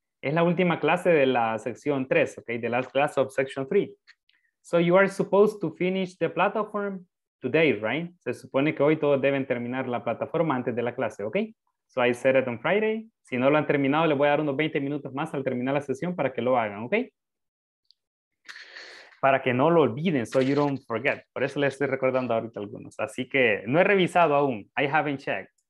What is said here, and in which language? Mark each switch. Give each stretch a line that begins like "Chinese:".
Spanish: Es la última clase de la sección tres, okay?
English: The last class of section three. So you are supposed to finish the platform today, right?
Spanish: Se supone que hoy todos deben terminar la plataforma antes de la clase, ¿ok?
English: So I said it on Friday.
Spanish: Si no lo han terminado, le voy a dar unos 20 minutos más al terminar la sesión para que lo hagan, ¿ok? Para que no lo olviden,
English: so you don't forget.
Spanish: Por eso les estoy recordando ahorita algunos. Así que no he revisado aún.
English: I haven't checked.